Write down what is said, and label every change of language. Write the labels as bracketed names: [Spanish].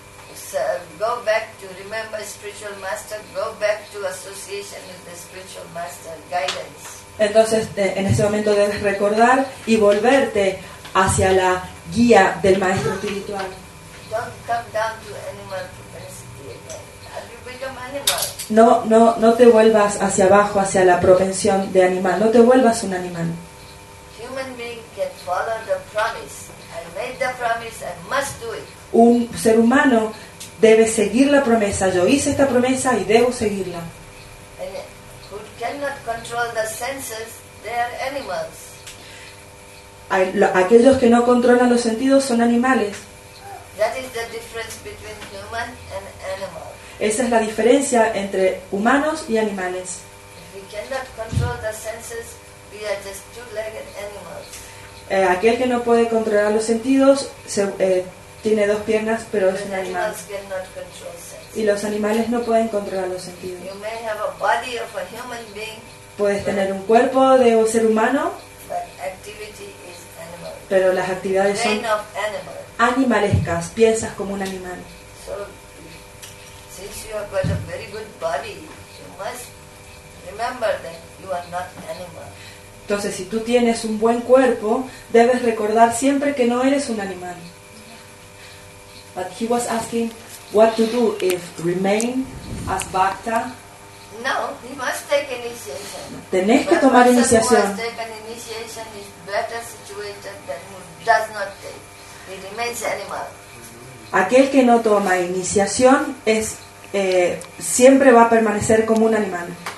[English] Must go back to remember spiritual master, go back to association with the spiritual master guidance. [Spanish] Entonces, en ese momento debes recordar y volverte hacia la guía del maestro espiritual. [English] Don't come down to animal propensity again. Have you become animal? [Spanish] No, no, no te vuelvas hacia abajo, hacia la propensión de animal. No te vuelvas un animal. [English] Human being can follow the promise. I made the promise. I must do it. [Spanish] Un ser humano debe seguir la promesa. Yo hice esta promesa y debo seguirla. [English] Who cannot control the senses, they are animals. [Spanish] Aquellos que no controlan los sentidos son animales. [English] That is the difference between human and animal. [Spanish] Esa es la diferencia entre humanos y animales. [English] If we cannot control the senses, we are just two-legged animals. [Spanish] Aquel que no puede controlar los sentidos tiene dos piernas, pero es un animal. Y los animales no pueden controlar los sentidos. [English] You may have a body of a human being, [Spanish] puedes tener un cuerpo de un ser humano, [English] but activity is animal. [Spanish] Pero las actividades [English] brain [Spanish] son animal. Animalescas, piensas como un animal. [English] So, since you have got a very good body, you must remember that you are not animal. [Spanish] Entonces, si tú tienes un buen cuerpo, debes recordar siempre que no eres un animal. [English] But he was asking what to do if remain as bhakta. No, he must take initiation. [Spanish] Tenés que tomar iniciación. [English] Who has taken initiation is better situated than who does not take. He remains animal. [Spanish] Aquel que no toma iniciación es siempre va a permanecer como un animal.